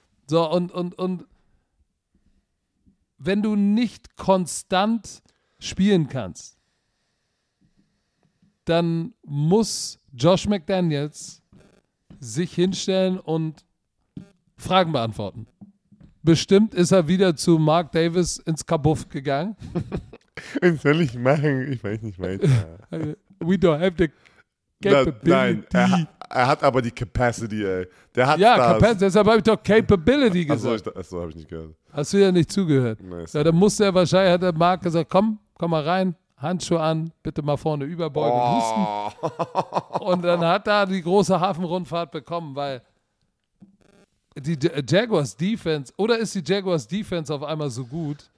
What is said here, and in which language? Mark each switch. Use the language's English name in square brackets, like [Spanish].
[German] So, und wenn du nicht konstant spielen kannst, dann muss Josh McDaniels sich hinstellen und Fragen beantworten. Bestimmt ist er wieder zu Mark Davis ins Kabuff gegangen. Was soll ich machen? Ich weiß nicht, mein. [English] We don't have the capability. [German] Nein, er hat aber die Capacity, ey. Der hat ja, das. Capacity, deshalb habe ich doch Capability gesagt. Achso, habe ich nicht gehört. Hast du ja nicht zugehört. Nice. Ja, dann musste er wahrscheinlich, hat der Mark gesagt, komm mal rein, Handschuhe an, bitte mal vorne überbeugen, husten. Und dann hat er die große Hafenrundfahrt bekommen, weil die Jaguars Defense, oder ist die Jaguars Defense auf einmal so gut?